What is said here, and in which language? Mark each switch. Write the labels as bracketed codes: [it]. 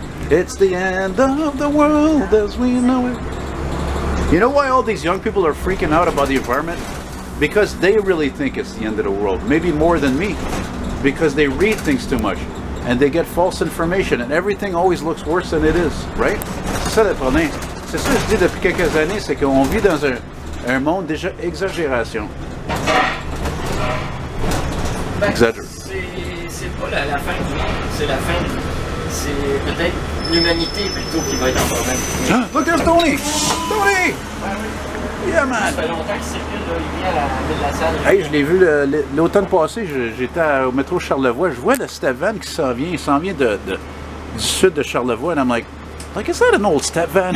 [en] It's the end of the world as we know it. You know why all these young people are freaking out about the environment? Because they really think it's the end of the world. Maybe more than me. Because they read things too much. And they get false information. And everything always looks worse than it is. Right? [fr] C'est ça le problème. C'est ça que je dis depuis quelques années. C'est qu'on vit dans un monde déjà exagération. Ben, c'est pas la fin du monde, c'est la fin. C'est peut-être l'humanité plutôt qui va être en problème. [en] Look, there's Tony! Tony! [fr] Ben, oui. [en] Yeah, man! [fr] Ça fait longtemps que c'est venu, il vient à la ville de la salle. Hey, je l'ai vu l'automne passé, j'étais au métro Charlevoix. Je vois le step van qui s'en vient. Il s'en vient du sud de Charlevoix. [en] And I'm like, is that an old step van?